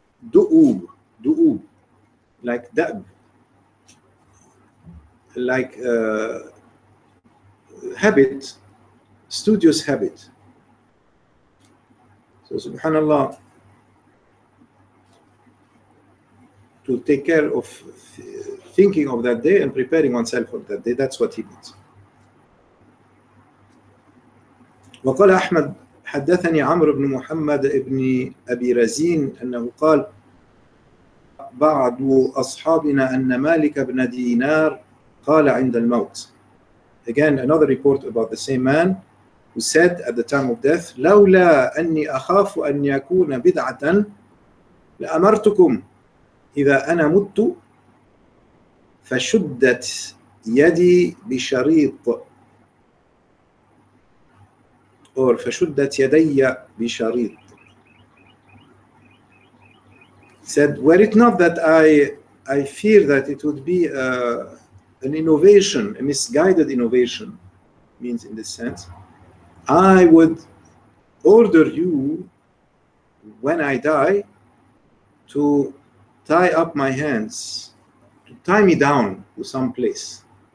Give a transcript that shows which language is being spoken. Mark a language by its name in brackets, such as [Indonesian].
[English] Du'ub, du'ub, like da'b, like habit, studious habit. So subhanAllah, to take care of thinking of that day and preparing oneself for that day, that's what he means. [Arabic] وقال أحمد حدثني عمرو بن محمد ابن أبي رزين أنه قال بعض أصحابنا أن مالك بن دينار قال عند الموت. [English] Again, another report about the same man, who said at the time of death, [Arabic] لولا أني أخاف أن يكون بدعة لأمرتكم إذا أنا مت فشدت يدي بشريط, or فشدت يدي بشريط. [English] Said, were it not that I fear that it would be an innovation, a misguided innovation, means in this sense, I would order you, when I die, to tie up my hands, to tie me down to some place.